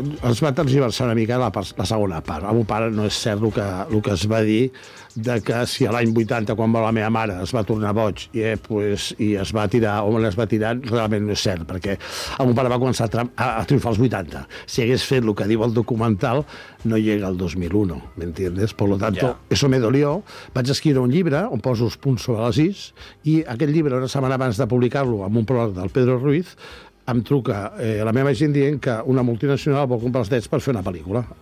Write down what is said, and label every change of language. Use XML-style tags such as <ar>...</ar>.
<ca>es va tergiversar una mica la segona part. El meu pare, no és cert el que es va dir, de que si a l'any 80, quan va la meva mare, es va tornar boig i es va tirar, o les va tirar, realment no és cert, perquè el meu pare va començar a triomfar als 80. Si hagués fet el que diu el documental,</ca> <es>no llega al 2001, ¿m'entiendes? Por lo tanto, yeah. Eso me dolió.</es> <ca>Vaig escriure un llibre on poso els punts sobre les is, i aquest llibre, una setmana abans de publicar-lo amb un pròleg del Pedro Ruiz, em truca la meva gent dient que una multinacional vol comprar els drets per fer una pel·lícula.</ca>